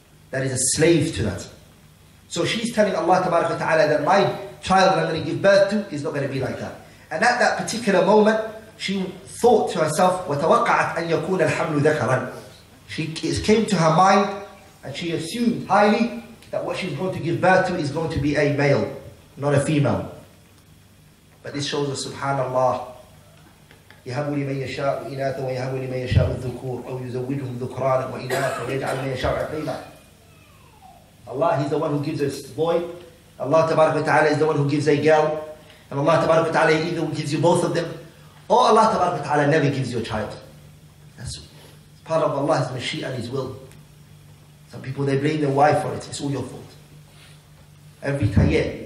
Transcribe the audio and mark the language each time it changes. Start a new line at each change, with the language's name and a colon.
English: That is a slave to that. So she's telling Allah tabaraka ta'ala that my child that I'm going to give birth to is not going to be like that. And at that particular moment, she thought to herself,
Arabic: وَتَوَقَّعَتْ أَنْ يَكُونَ الْحَمْلُ ذَكَرًا.
English: It came to her mind and she assumed highly that what she's going to give birth to is going to be a male, not a female. But this shows us,
Arabic: subhanAllah, يَهَبُ لِمَنْ يَشَاءُ إِنَاثًا وَيَهَبُ لِمَنْ يَشَاءُ الذُّكُورُ أَوْ يُزَوِّدُهُمْ ذُكْرَانًا وَإِنَاثًا وَيَجْعَلْ مَنْ يَشَاءُ عَقِيمًا.
English: Allah, He's the one who gives us a boy. Allah Tabaraka wa Ta'ala is the one who gives a girl. And Allah Tabaraka wa Ta'ala either gives you both of them. Or Allah Tabaraka wa Ta'ala never gives you a child. That's part of Allah's mashi'a and His will. Some people, they blame their wife for it. It's all your fault. Every time, yeah.